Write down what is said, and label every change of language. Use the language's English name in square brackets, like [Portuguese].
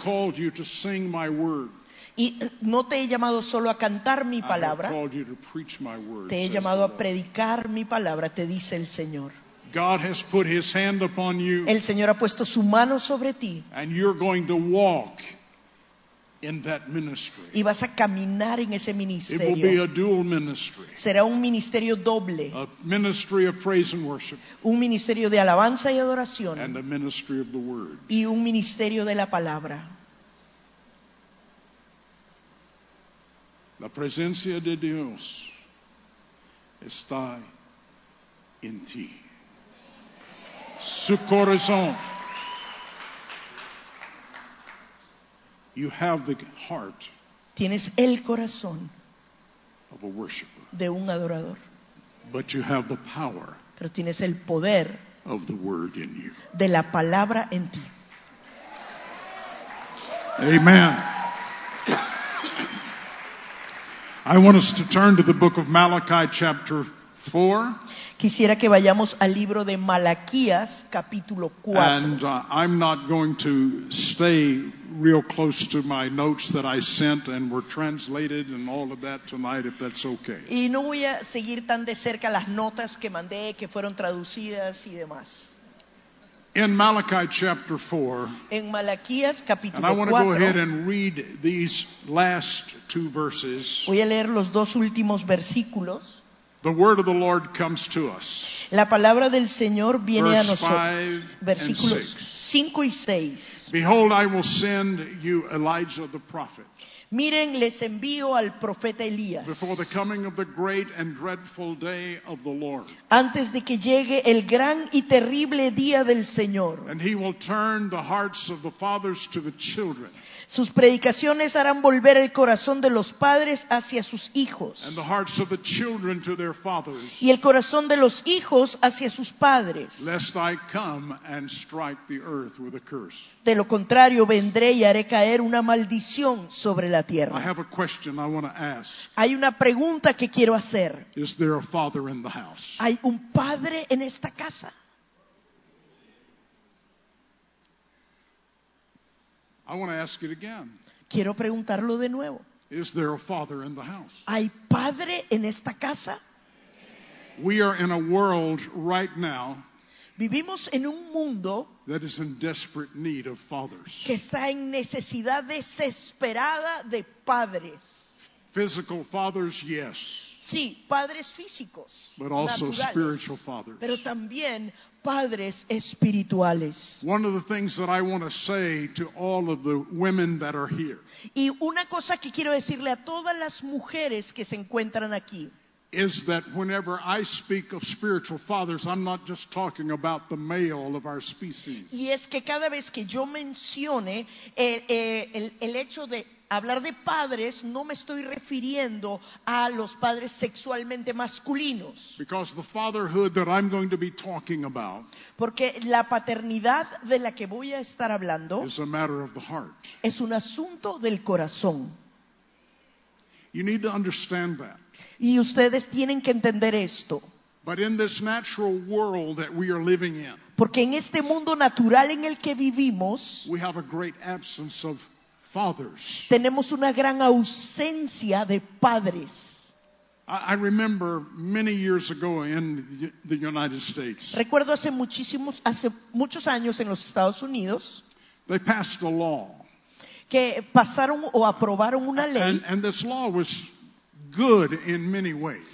[English] Called you to sing my word. [Spanish] Y no te he llamado solo a cantar mi palabra. [English] I have called you to preach my word, [Spanish] te he llamado a predicar mi palabra, te dice el Señor. [English] God has put his hand upon you, [Spanish] el Señor ha puesto su mano sobre ti. [English] And you're going to walk in that ministry. [Spanish] Y vas a caminar en ese ministerio. [English] It will be a dual ministry. [Spanish] Será un ministerio doble. [English] A ministry of praise and worship. [Spanish] Un ministerio de alabanza y adoración. [English] And a ministry of the word. [Spanish] Y un ministerio de la palabra. La presencia de Dios está en ti. Su corazón. [English] You have the heart. [Spanish] Tienes el corazón [English] of a worshiper. [Spanish] De un adorador. [English] But you have the power. [Spanish] Pero tienes el poder [English] of the word in you. [Spanish] De la palabra en ti. [English] Amen. I want us to turn to the book of Malachi chapter 4. [Spanish] Quisiera que vayamos al libro de Malaquías, capítulo 4. [English] And I'm not going to stay real close to my notes that I sent and were translated and all of that tonight, if that's okay. [Spanish] Y no voy a seguir tan de cerca las notas que mandé, que fueron traducidas y demás. [English] In Malachi chapter 4, [Spanish] en Malaquías, capítulo [English] 4, and I want to go ahead and read these last two verses. [Spanish] Voy a leer los dos últimos versículos. [English] The word of the Lord comes to us. [Spanish] La palabra del Señor viene [English] verse [Spanish] a nosotros. Versículos 5 y 6. [English] Behold, I will send you Elijah the prophet. [Spanish] Miren, les envío al profeta Elías. [English] Before the coming of the great and dreadful day of the Lord. [Spanish] Antes de que llegue el gran y terrible día del Señor. [English] And he will turn the hearts of the fathers to the children. [Spanish] Sus predicaciones harán volver el corazón de los padres hacia sus hijos. [English] And the hearts of the children to their fathers. [Spanish] Y el corazón de los hijos hacia sus padres. [English] Lest I come and strike the earth with a curse. [Spanish] De lo contrario, vendré y haré caer una maldición sobre la tierra. [English] I have a question I want to ask. [Spanish] Hay una pregunta que quiero hacer. [English] Is there a father in the house? [Spanish] ¿Hay un padre en esta casa? [English] I want to ask it again. [Spanish] Quiero preguntarlo de nuevo. [English] Is there a father in the house? [Spanish] ¿Hay padre en esta casa? [English] We are in a world right now. [Spanish] Vivimos en un mundo [English] that is in desperate need of fathers. [Spanish] Que está en necesidad desesperada de padres. [English] Physical fathers, yes. [Spanish] Sí, padres físicos. [English] But also [Spanish] naturales, [English] spiritual fathers. [Spanish] Pero también padres espirituales. [English] One of the things that I want to say to all of the women that are here. [Spanish] Y una cosa que quiero decirle a todas las mujeres que se encuentran aquí. [English] Is that whenever I speak of spiritual fathers, I'm not just talking about the male of our species. [Spanish] Y es que cada vez que yo mencione el hecho de hablar de padres, no me estoy refiriendo a los padres sexualmente masculinos. [English] Because the fatherhood that I'm going to be talking about, [Spanish] porque la paternidad de la que voy a estar hablando, [English] is a matter of the heart. [Spanish] Es un asunto del corazón. [English] You need to understand that. [Spanish] Y ustedes tienen que entender esto. [English] But in this natural world that we are living in, [Spanish] porque en este mundo natural en el que vivimos, [English] we have a great absence of fathers. [Spanish] Tenemos una gran ausencia de padres. [English] I remember many years ago in the United States. [Spanish] Recuerdo hace muchos años en los Estados Unidos. [English] They passed a law. [Spanish] Que pasaron o aprobaron una ley. [English] And this law was good in many ways.